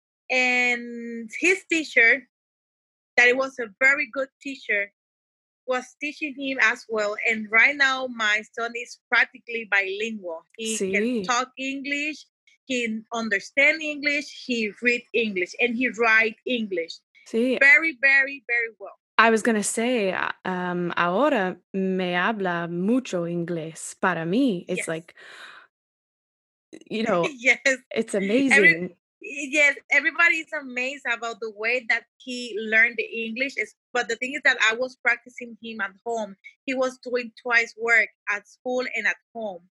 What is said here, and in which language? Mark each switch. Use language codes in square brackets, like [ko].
[en] And his teacher, that it was a very good teacher, was teaching him as well. And right now, my son is practically bilingual. He can talk English, he understand English, he read English, and he write English. See. Very, very, very well. I was gonna say, [es] ahora me habla mucho inglés. Para mí, [en] it's like, you know, yes, it's amazing. Everybody is amazed about the way that he learned the English. But the thing is that I was practicing him at home. He was doing twice work at school and at home.